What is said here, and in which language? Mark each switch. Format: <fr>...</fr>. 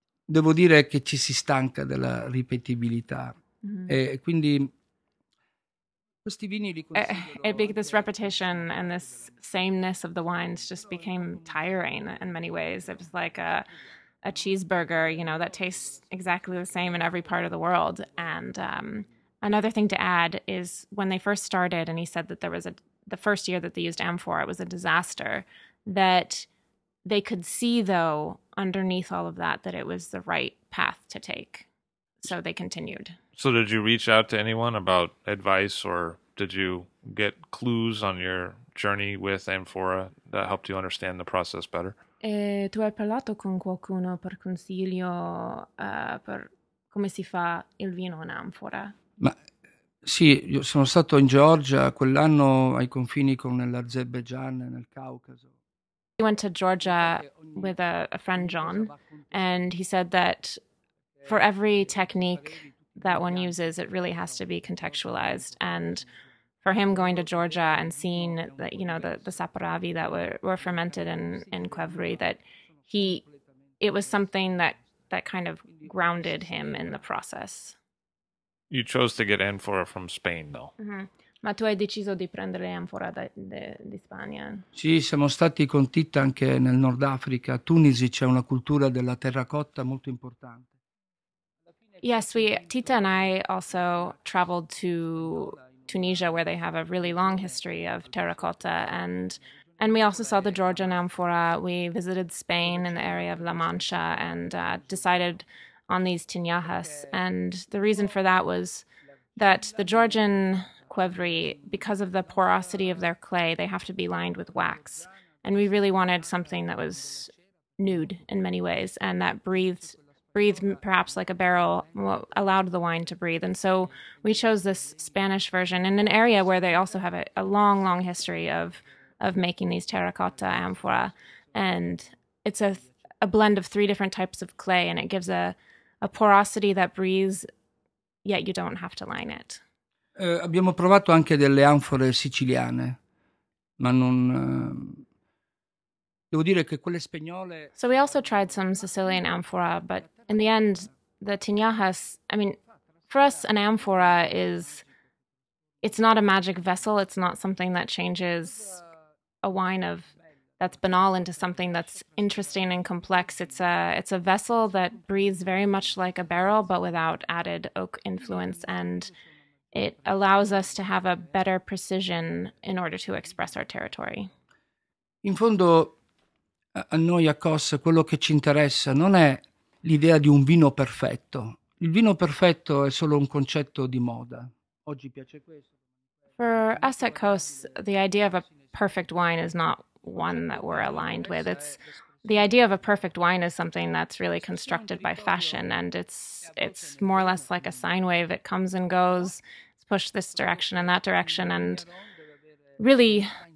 <it>Devo dire che ci si stanca della ripetibilità. Mm-hmm. Quindi questi vini li considero.</it> <en>This repetition and this sameness of the wines just became tiring in many ways. It was like a cheeseburger, you know, that tastes exactly the same in every part of the world. And another thing to add is when they first started, and he said that there was the first year that they used amphora, it was a disaster, that they could see, though, underneath all of that it was the right path to take. So they continued. So did you reach out to anyone about advice, or did you get clues on your journey with amphora that helped you understand the process better?</en> <it>E tu hai parlato con qualcuno per consiglio per come si fa il vino in amphora? Ma sì, io sono stato in Georgia quell'anno ai confini con l'Azerbaijan nel Caucaso.</it> <en>He went to Georgia with a friend John, and he said that for every technique that one uses, it really has to be contextualized. And for him, going to Georgia and seeing that, you know, the saporavi that were fermented in Quevri, that it was something that kind of grounded him in the process. You chose to get amphora from Spain, though. Mm-hmm.</en> <it>Ma tu hai deciso di prendere amphora di Spagna. Sì, siamo stati con Titta anche nel Nord Africa. A Tunisi c'è una cultura della terracotta molto importante.</it> <en>Yes, Tita and I also traveled to Tunisia, where they have a really long history of terracotta, and we also saw the Georgian amphora. We visited Spain in the area of La Mancha and decided on these tinajas. And the reason for that was, that the Georgian Quevri, because of the porosity of their clay, they have to be lined with wax. And we really wanted something that was nude in many ways and that breathed perhaps like a barrel, allowed the wine to breathe. And so we chose this Spanish version in an area where they also have a long, long history of making these terracotta amphora. And it's a blend of three different types of clay, and it gives a porosity that breathes, yet you don't have to line it.</en> <it>Abbiamo provato anche delle anfore siciliane, ma non... Devo dire che quelle spagnole...</it> <en>So we also tried some Sicilian amphora, but in the end, the tinajas, I mean, for us, an amphora is, it's not a magic vessel. It's not something that changes a wine of that's banal into something that's interesting and complex. It's a vessel that breathes very much like a barrel, but without added oak influence. And it allows us to have a better precision in order to express our territory.</en> <it>In fondo... A noi a Cos quello che ci interessa non è l'idea di un vino perfetto. Il vino perfetto è solo un concetto di moda. Oggi piace questo.</it> <en>For us at Cos, the idea of a perfect wine is not one that we're aligned with. It's the idea of a perfect wine is something that's really constructed by fashion, and it's more or less like a sine wave. It comes and goes. It's pushed this direction and that direction, and really.</en>